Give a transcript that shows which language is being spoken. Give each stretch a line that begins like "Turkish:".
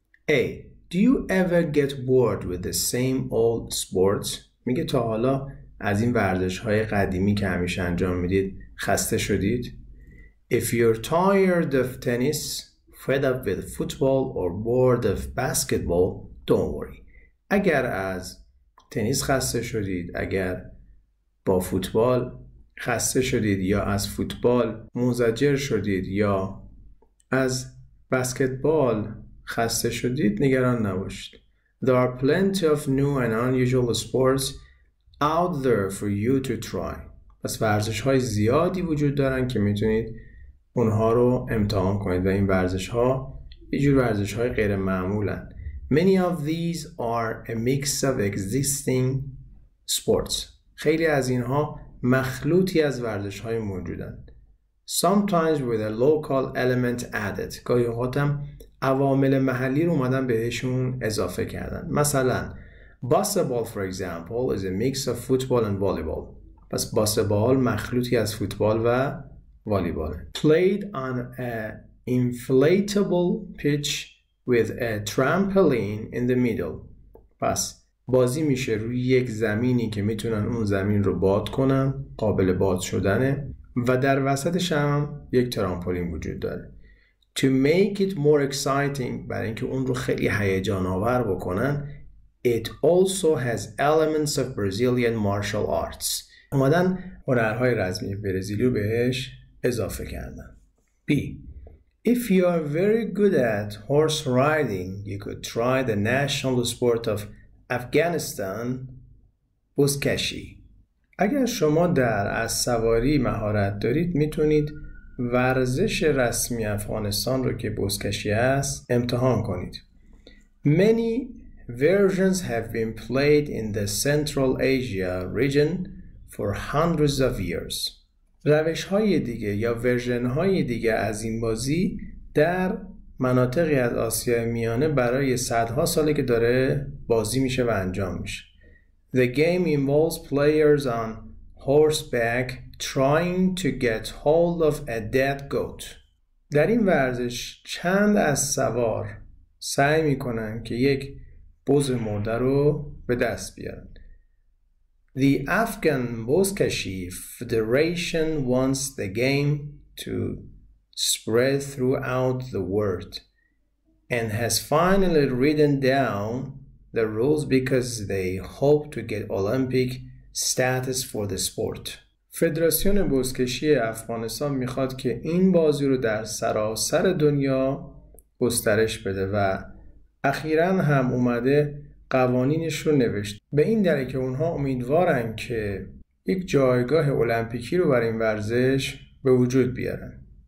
English: A. Do you ever get bored with the same old sports?
Persian: میگه تا حالا از این ورزش های قدیمی که همیشه انجام میدید خسته شدید؟
English: If you're tired of tennis, fed up with football or bored of basketball, don't worry.
Persian: اگر از تنیس خسته شدید، اگر با فوتبال خسته شدید یا از فوتبال مزجر شدید یا از بسکتبال خسته شدید، نگران نباشید.
English: There are plenty of new and unusual sports out there for you to try.
Persian: پس ورزش های زیادی وجود دارن که میتونید اونها رو امتحان کنید و این ورزش ها یه جور ورزش های غیر معمولن.
English: Many of these are a mix of existing sports.
Persian: خیلی از اینها مخلوطی از ورزش های موجودن.
English: Sometimes with a local element added.
Persian: گاهی اوقات هم عوامل محلی رو اومدن بهشون اضافه کردن. مثلا
English: basketball for example is a mix of football and volleyball.
Persian: پس basketball مخلوطی از فوتبال و والیباله.
English: Played on an inflatable pitch with a trampoline in the middle.
Persian: پس بازی میشه روی یک زمینی که میتونن اون زمین رو باد کنن، قابل باد شدنه و در وسطش هم یک ترامپولین وجود داره.
English: To make it more exciting،
Persian: برای اینکه اون رو خیلی هیجان آور بکنن،
English: it also has elements of Brazilian martial arts.
Persian: اومدن هنرهای رزمی برزیلی رو بهش اضافه کردن. B.
English: If you are very good at horse riding, you could try the national sport of Afghanistan, بزکشی.
Persian: اگر شما در اسب سواری مهارت دارید میتونید ورزش رسمی افغانستان رو که بزکشی است امتحان کنید.
English: Many versions have been played in the Central Asia region for hundreds of years.
Persian: روش های دیگه یا ورژن های دیگه از این بازی در مناطقی از آسیای میانه برای صدها ساله که داره بازی میشه و انجام میشه.
English: The game involves players on horseback trying to get hold of a dead goat.
Persian: در این ورزش چند از سوار سعی میکنن که یک بز مرده رو به دست بیارن.
English: The Afghan Bozkashi Federation wants the game to spread throughout the world and has finally written down the rules because they hope to get Olympic status for the sport.
Persian: فدراسیون بزکشی افغانستان میخواد که این بازی رو در سراسر دنیا گسترش بده و اخیراً هم اومده قوانینش رو نوشت. به این دلیل که اونها امیدوارن که یک جایگاه المپیکی رو برای این ورزش به وجود بیارن.